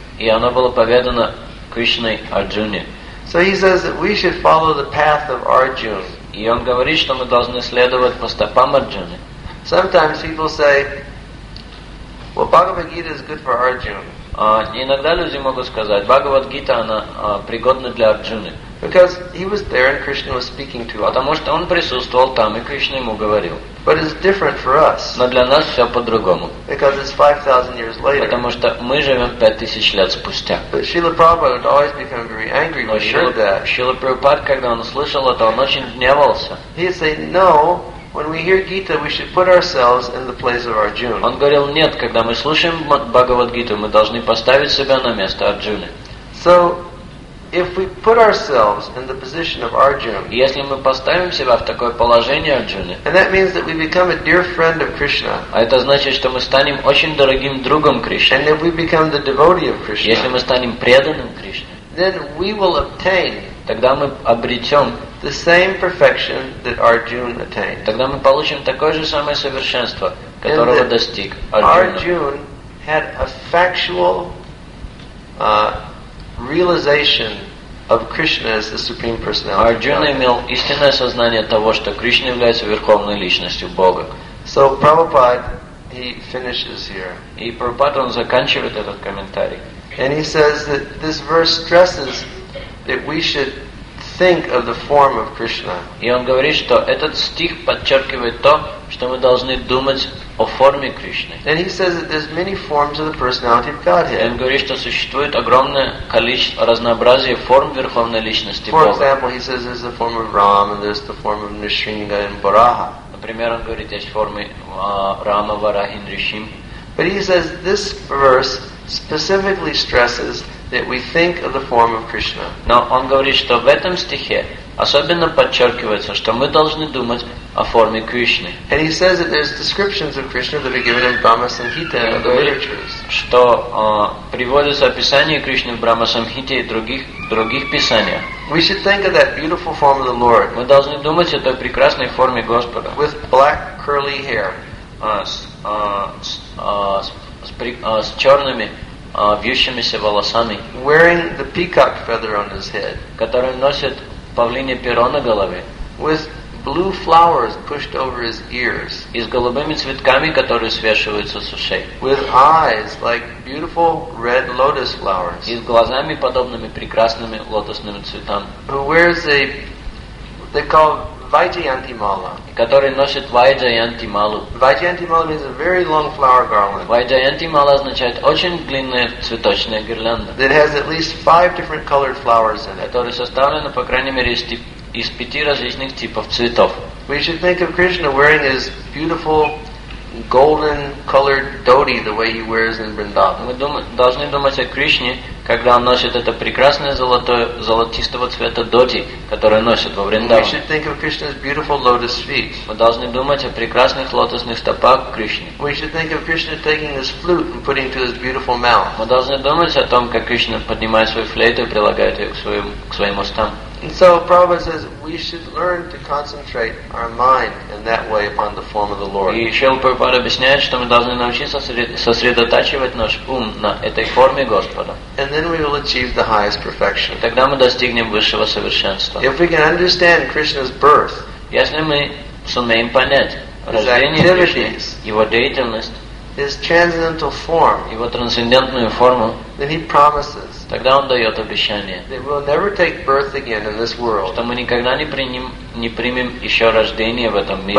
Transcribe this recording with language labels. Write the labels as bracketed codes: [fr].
[ru] И оно было поведано Кришной Арджуне. [en] So he says that we should follow the path of Arjuna. [ru] И он говорит, что мы должны следовать по стопам Арджуны. [en] Sometimes people say, "Well, Bhagavad Gita is good for Arjuna." [ru] Иногда люди могут сказать, Бхагавад-гита, она пригодна для Арджуны. [en] Because he was there and Krishna was speaking to him. [ru] Потому что он присутствовал там, и Кришна ему говорил. [en] But it's different for us. [ru] Но для нас все по-другому. [en] Because it's 5,000 years later. [ru] Потому что мы живем 5,000 лет спустя. [en] But Srila Prabhupada would always become very angry when he heard that. [ru] Srila Prabhupada, когда он услышал это, он очень гневался. [en] He'd say, "No. When we hear Gita, we should put ourselves in the place of Arjuna." [ru] Он говорил, нет, когда мы слушаем Бхагавад-гиту, мы должны поставить себя на место Арджуны. [en] So, If we put ourselves in the position of Arjuna, [ru] если мы поставим себя в такое положение Арджуны, [en] and that means that we become a dear friend of Krishna, [ru] а это значит, что мы станем очень дорогим другом Кришны, [en] and that we become the devotee of Krishna, [ru] если мы станем преданным Кришне, [en] then we will obtain, [ru] тогда мы обретем, [en] the same perfection that Arjuna attained. [ru] Тогда мы получим такое же самое совершенство, которого достиг Арджуна. [en] Arjuna had a factual realization of Krishna as the Supreme Personality. [ru] Арджуна имел истинное сознание того, что Кришна является верховной личностью Бога. [en] So Prabhupada, he finishes here. [ru] И Прабхупада, он заканчивает этот комментарий. [en] And he says that this verse stresses that we should think of the form of Krishna. [ru] И он говорит, что этот стих подчеркивает то, что мы должны думать о форме Кришны. [en] And he says that there's many forms of the personality of Godhead. [ru] И он говорит, что существует огромное количество разнообразия форм верховной личности Бога. [en] For example, he says there's the form of Ram and there's the form of Nrisimha and Varaha. [ru] Например, он говорит, есть формы Рама, Варахи, Нрисим. [en] But he says this verse specifically stresses that we think of the form of Krishna. [ru] Но он говорит, что в этом стихе особенно подчеркивается, что мы должны думать о форме Кришны. [en] And he says that there's descriptions of Krishna that are given in Brahma Samhita and other literatures. [ru] Что приводится описание Кришны в Брахма Самхите и других писаниях. [en] We should think of that beautiful form of the Lord. [ru] Мы должны думать о той прекрасной форме Господа. [en] With black curly hair. [ru] С черными вьющимися волосами, [en] wearing the peacock feather on his head, [ru] который носит павлинье перо на голове, [en] with blue flowers pushed over his ears, [ru] и с голубыми цветками, которые свешиваются с ушей, [en] with eyes like beautiful red lotus flowers, [ru] и с глазами, подобными прекрасными лотосным цветам, [en] who wears a they call Vaidyanti mala, [ru] который носит Vaidyanti malu. [en] Vaidyanti mala means a very long flower garland. [ru] Vaidyanti mala означает очень длинная цветочная гирлянда. [en] It has at least five different colored flowers in it. [ru] Которая составлена по крайней мере из пяти различных типов цветов. [en] We should think of Krishna wearing his beautiful golden colored dhoti the way he wears in Vrindavan. [ru] Мы должны думать о Кришне, когда он носит это прекрасное золотистого цвета доти, которое носит во Вриндаван. [en] We should think of Krishna's beautiful lotus feet. [ru] Мы должны думать о прекрасных лотосных стопах Кришны. [en] We should think of Krishna taking his flute and putting it to his beautiful mouth. [ru] Мы должны думать о том, как Кришна поднимает свою флейту и прилагает ее к своим устам. [en] And so Prabhupada says we should learn to concentrate our mind in that way upon the form of the Lord. [ru] И Шрила Прабхупада объясняет, что мы должны научиться сосредотачивать наш ум на этой форме Господа. [en] And then we will achieve the highest perfection. [ru] Тогда мы достигнем высшего совершенства. [en] If we can understand Krishna's birth, [ru] если мы сумеем понять рождение Кришны, его деятельность, [en] his transcendental form, [ru] его трансцендентную форму, [en] then he promises, [ru] тогда он дает обещание, [en] that we'll never take birth again in this world, [ru] что мы никогда не примем еще рождение в этом мире.